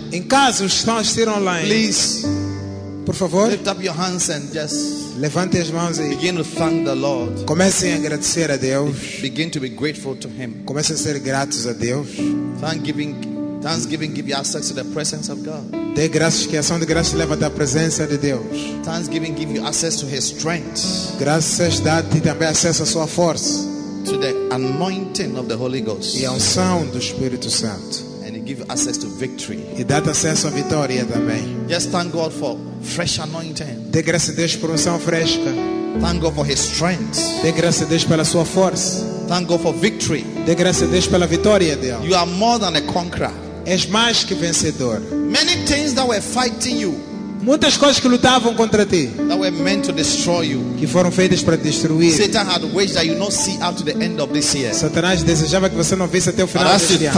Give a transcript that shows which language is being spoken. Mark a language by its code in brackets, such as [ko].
[pt] Em casa, estão a assistir online. [en] Please, [pt] por favor, [en] lift up your hands and just [pt] levante as mãos e [en] begin to thank the Lord. [pt] Comecem a agradecer a Deus. [en] Begin to be grateful to Him. [pt] Comecem a ser gratos a Deus. [en] Thanksgiving give you access to the presence of God. [pt] Dê graças, que a ação de graças leva da presença de Deus. [en] Thanksgiving give you access to His strength. [pt] Graças dá-te também acesso à sua força. [en] To the anointing of the Holy Ghost. [pt] E a unção do Espírito Santo. [en] And he gives access to victory. [pt] E dá acesso à vitória também. [en] Just thank God for fresh anointing. [pt] Dê graças a Deus por unção fresca. [en] Thank God for His strength. [pt] Dê graças a Deus pela sua força. [en] Thank God for victory. [pt] Dê graças a Deus pela vitória dele. [en] You are more than a conqueror. [pt] És mais que vencedor. [en] Many things that were fighting you. [pt] Muitas coisas que lutavam contra ti. [en] That were meant to destroy you. [pt] Que foram feitas para destruir. [en] Satan had wished that you not see out to the end of this year. [pt] Satanás desejava que você não visse até o final deste ano.